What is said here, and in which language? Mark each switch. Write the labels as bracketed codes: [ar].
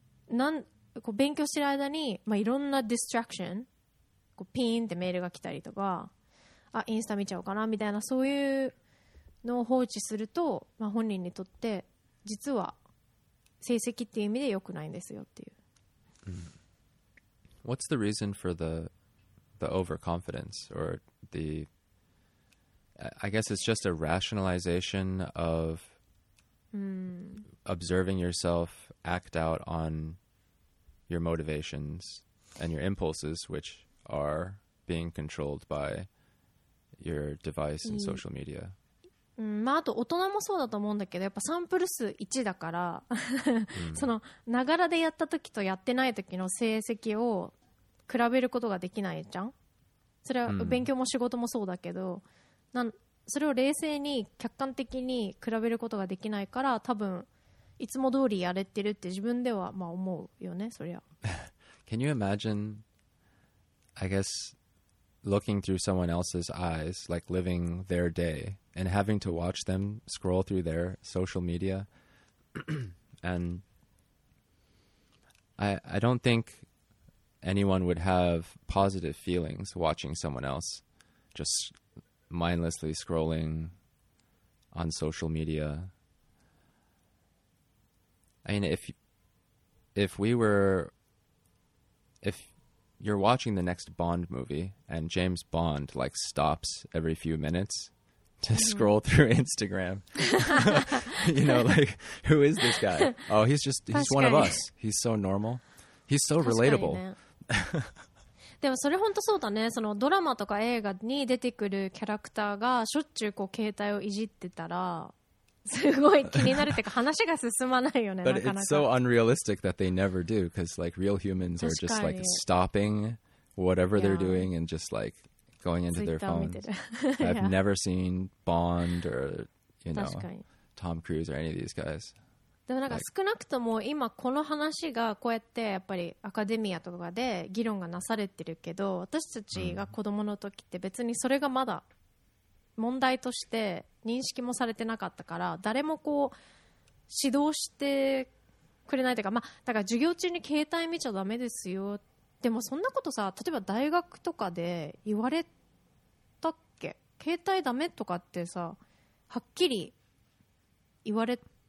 [ja] なんこう勉強してる間に、まあ、いろんなディストラクション、こうピーンってメールが来たりとか、あインスタ見ちゃおうかなみたいな、そういうのを放置すると、まあ、本人にとって実は成績っていう意味で良くないんですよっていう、 [en] うん、What's the reason for the overconfidence or the I guess it's just a rationalization of observing yourself act out on your motivations and your impulses, which are being controlled by your device and social media. [ja] まあ、あと大人もそうだと思うんだけど、やっぱサンプル数1だから、そのながらでやった時とやってない時の成績を比べることができないじゃん。それは勉強も仕事もそうだけど、それを冷静に客観的に比べることができないから、多分いつも通りやれてるって自分ではまあ思うよね、そりゃ。 [en] Can you imagine, I guess, looking through someone else's eyes, like living their day, and having to watch them scroll through their social media? And I don't think anyone would have positive feelings watching someone else just mindlessly scrolling on social media. I mean, if you're watching the next Bond movie and James Bond like stops every few minutes to scroll through Instagram, you know, like who is this guy? Oh, he's one of us. He's so normal. He's so relatable. [ja] でもそれ本当そうだね。そのドラマとか映画に出てくるキャラクターがしょっちゅうこう携帯をいじってたらすごい気になるっていうか話が進まないよね。 [en] But it's so unrealistic that they never do, because like real humans are just like stopping whatever they're doing and just like going into their phones. I've never seen Bond or you know Tom Cruise or any of these guys. [ja] でもなんか少なくとも今この話がこうやってやっぱりアカデミアとかで議論がなされてるけど、私たちが子供の時って別にそれがまだ問題として認識もされてなかったから、誰もこう指導してくれないというか、まあだから授業中に携帯見ちゃダメですよ、でもそんなことさ例えば大学とかで言われたっけ、携帯ダメとかってさはっきり言われて